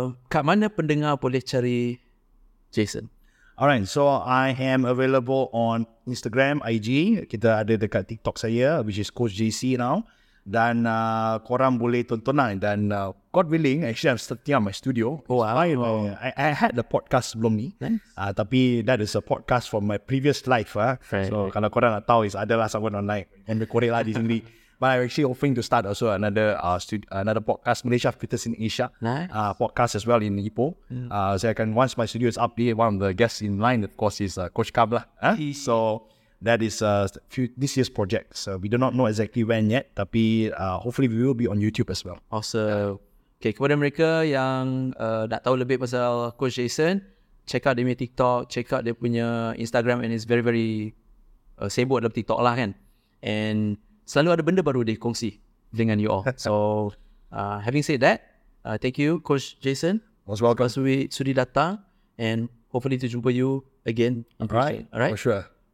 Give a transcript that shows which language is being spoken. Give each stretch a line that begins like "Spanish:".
Malay: Kat mana pendengar boleh cari Jason?
English: Alright, so I am available on Instagram, IG.
Malay: Kita ada dekat TikTok saya,
English: which is Coach JC now.
Malay: Dan korang boleh tonton lah.
English: Dan God willing, actually I'm starting up my studio. I had the podcast sebelum ni. Tapi that is a podcast from my previous life.
Malay: So kalau korang nak tahu,
English: is adalah someone online. And record lah di sini. But I'm actually hoping to start also another another podcast, Malaysia Fitness in Asia. Nice. Podcast as well in Ipoh. So I can, once my studio is up, one of the guests in line, of course, is Coach Kab lah. So that is this year's project. So we do not know exactly when yet, tapi hopefully we will be on YouTube as well.
Malay: Awesome. Okay, kepada mereka yang nak tahu lebih pasal Coach Jason,
English: check out
Malay: dia punya TikTok, check out dia punya Instagram, and it's very, very sibuk dalam TikTok lah kan. And selalu ada benda baru dikongsi dengan you all.
English: So, having said that, thank you, Coach Jason. Most welcome.
Malay: Sebab sudi datang,
English: and hopefully to
Malay: jumpa you again.
English: All right. All right, for sure.